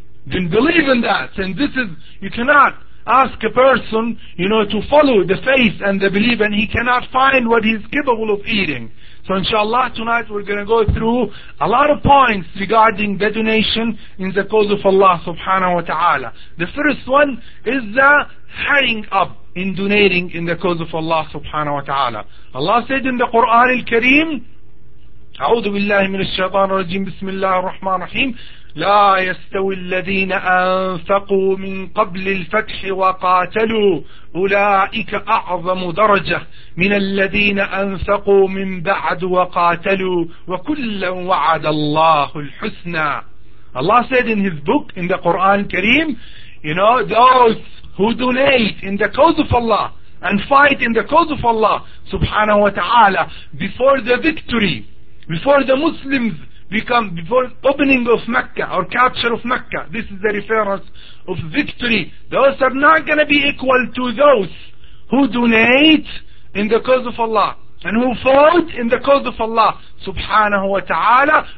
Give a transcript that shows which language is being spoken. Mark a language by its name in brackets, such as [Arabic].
[English] Didn't believe in that, and this is, you cannot ask a person, you know, to follow the faith and the belief, and he cannot find what he's capable of eating. So inshallah, tonight we're going to go through a lot of points regarding the donation in the cause of Allah subhanahu wa ta'ala. The first one is the hurrying up in donating in the cause of Allah subhanahu wa ta'ala. Allah said in the Quran al-Kareem, [Arabic] أعوذ بالله من الشيطان الرجيم بسم الله الرحمن الرحيم لا يستوي الذين أنفقوا من قبل الفتح وقاتلوا أولئك أعظم درجة من الذين أنفقوا من بعد وقاتلوا وكلا وعد الله الحسنى. [English] Allah said in his book in the Quran Kareem, you know, those who donate in the cause of Allah and fight in the cause of Allah subhanahu wa ta'ala before the victory, before the Muslims become, before opening of Mecca or capture of Mecca, this is the reference of victory, those are not going to be equal to those who donate in the cause of Allah and who fought in the cause of Allah subhanahu wa ta'ala.